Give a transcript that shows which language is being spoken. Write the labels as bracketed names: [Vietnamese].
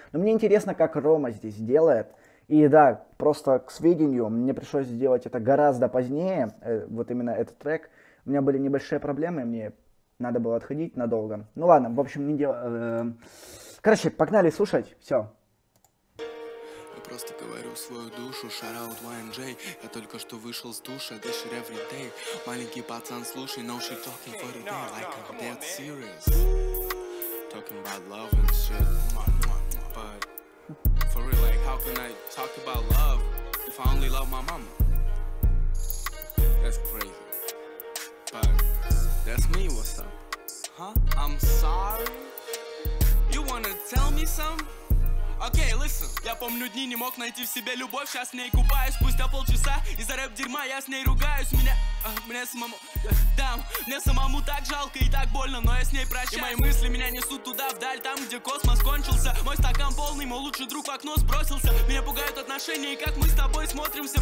[Russian] Но мне интересно, как Рома здесь делает. И да, просто к сведению, мне пришлось сделать это гораздо позднее, вот именно этот трек. У меня были небольшие проблемы, мне надо было отходить надолго. Ну ладно, в общем, не дело... Короче, погнали слушать, все. Просто говорю свою душу, shoutout YNJ. Я только что вышел с душа, дышишь [English] every day. [Russian] Маленький пацан, слушай, [English] no shit talking for the day. Like I'm dead serious. Talking about love and shit. But for real, like how can I talk about love if I only love my mama? That's crazy. But that's me, what's up? Huh? I'm sorry? You wanna tell me something? [Russian] Окей, listen. Я помню дни, не мог найти в себе любовь. Сейчас с ней купаюсь, спустя полчаса. Из-за рэп-дерьма я с ней ругаюсь. Меня... мне самому... Да, мне самому так жалко и так больно, но я с ней прощаюсь. И мои мысли меня несут туда, вдаль, там, где космос кончился. Мой стакан полный, мой лучший друг в окно сбросился. Меня пугают отношения и как мы с тобой смотримся.